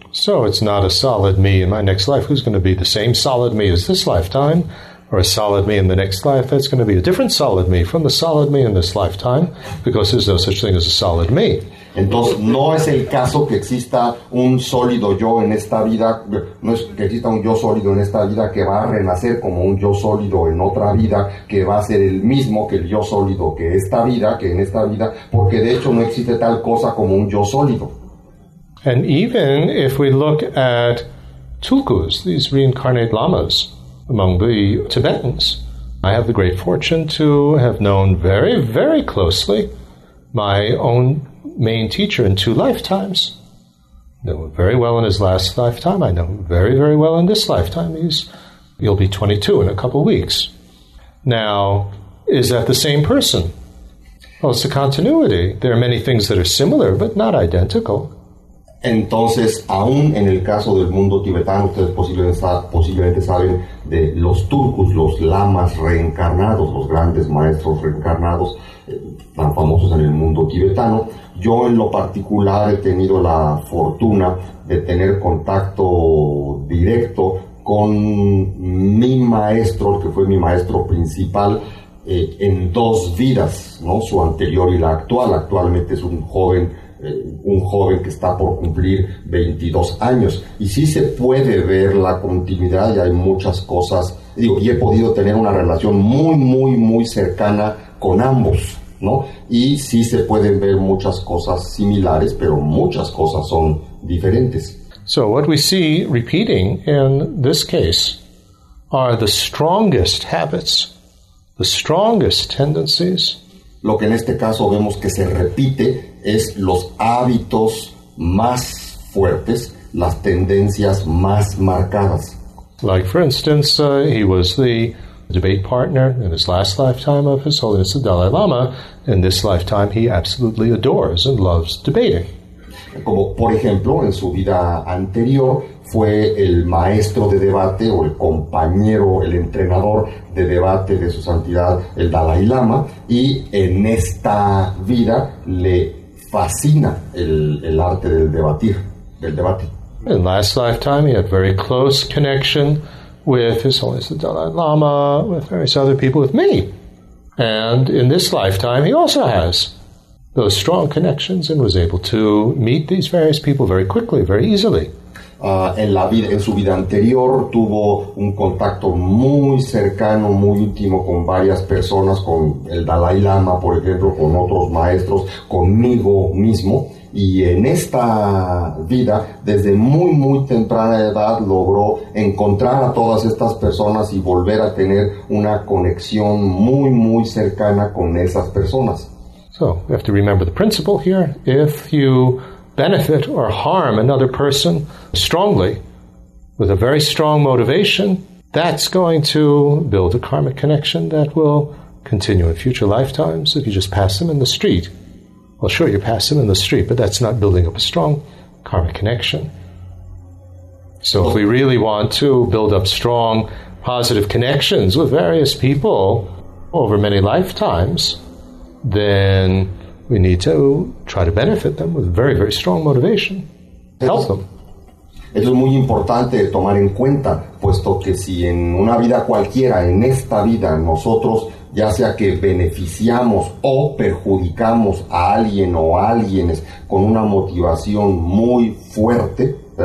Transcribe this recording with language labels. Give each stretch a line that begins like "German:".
English: So it's not a solid me in my next life who's going to be the same solid me as this lifetime, or a solid me in the next life that's going to be a different solid me from the solid me in this lifetime, because there's no such thing as a solid me.
Spanish: Entonces, no es el caso que exista un sólido yo en esta vida, no es que exista un yo sólido en esta vida que va a renacer como un yo sólido en otra vida, que va a ser el mismo que el yo sólido que esta vida, que en esta vida, porque de hecho no existe tal cosa como un yo sólido.
English: And even if we look at tulkus, these reincarnate lamas among the Tibetans, I have the great fortune to have known very, very closely my own main teacher in two lifetimes. I know him very well in his last lifetime. I know him very, very well in this lifetime. He'll be 22 in a couple weeks. Now, is that the same person? Well, it's a continuity. There are many things that are similar, but not identical.
Spanish: Entonces, aún en el caso del mundo tibetano, ustedes posiblemente saben de los turcos, los lamas reencarnados, los grandes maestros reencarnados, tan famosos en el mundo tibetano. Yo en lo particular he tenido la fortuna de tener contacto directo con mi maestro, que fue mi maestro principal, en dos vidas, ¿no? Su anterior y la actual. Actualmente es un joven que está por cumplir 22 años. Y sí se puede ver la continuidad y hay muchas cosas. Digo, y he podido tener una relación muy, muy, muy cercana con ambos, ¿no? Y sí se pueden ver muchas cosas similares, pero muchas cosas son diferentes.
English: So what we see repeating in this case are the strongest habits, the strongest tendencies.
Spanish: Lo que en este caso vemos que se repite es los hábitos más fuertes, las tendencias más marcadas.
English: Like, for instance, he was the debate partner in his last lifetime of His Holiness the Dalai Lama. In this lifetime, he absolutely adores and loves debating.
Spanish: Como, por ejemplo, en su vida anterior fue el maestro de debate o el compañero, el entrenador de debate de su santidad, el Dalai Lama, y en esta vida le fascina el arte del debatir, del debate.
English: In last lifetime, he had very close connection with His Holiness the Dalai Lama, with various other people, with me. And in this lifetime, he also has those strong connections and was able to meet these various people very quickly, very easily.
Spanish: En su vida anterior, tuvo un contacto muy cercano, muy íntimo con varias personas, con el Dalai Lama, por ejemplo, con otros maestros, conmigo mismo. Y en esta vida, desde muy, muy temprana edad, logró encontrar a todas estas personas y volver a tener una conexión muy, muy cercana con esas personas.
English: So, we have to remember the principle here. If you benefit or harm another person strongly, with a very strong motivation, that's going to build a karmic connection that will continue in future lifetimes. If you just pass them in the street, well, sure, you pass them in the street, but that's not building up a strong karmic connection. So if we really want to build up strong, positive connections with various people over many lifetimes, then we need to try to benefit them with very, very strong motivation. Help them.
Spanish: Eso es muy importante tomar en cuenta, puesto que si en una vida cualquiera, en esta vida, nosotros, ya sea que beneficiamos o perjudicamos a alguien o a alguienes con una motivación muy fuerte,